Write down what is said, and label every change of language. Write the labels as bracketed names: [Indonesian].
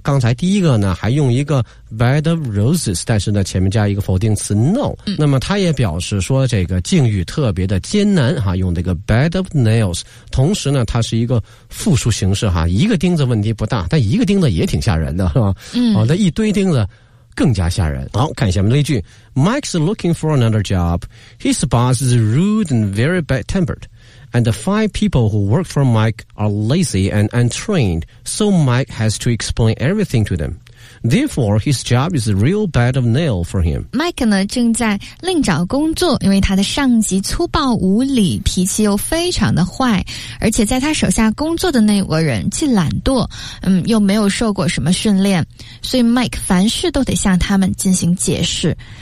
[Chinese] 刚才第一个呢还用一个 bed of roses， 但是呢前面加一个否定词 no。那么他也表示说这个境遇特别的艰难哈，用这个 bed of nails。同时呢它是一个复数形式哈，一个钉子问题不大，但一个钉子也挺吓人的是吧？好，那一堆钉子更加吓人。好，看下面的例句。 [English] Mike's looking for another job. His boss is rude and very bad-tempered. And the five people who work for Mike are lazy and untrained, so Mike has to explain everything to them. Therefore, his job is a real bed of nail for him. [Chinese] Mike 呢正在另找工作，因为他的上级粗暴无礼，脾气又非常的坏，而且在他手下工作的那个人既懒惰，又没有受过什么训练，所以 Mike 凡事都得向他们进行解释。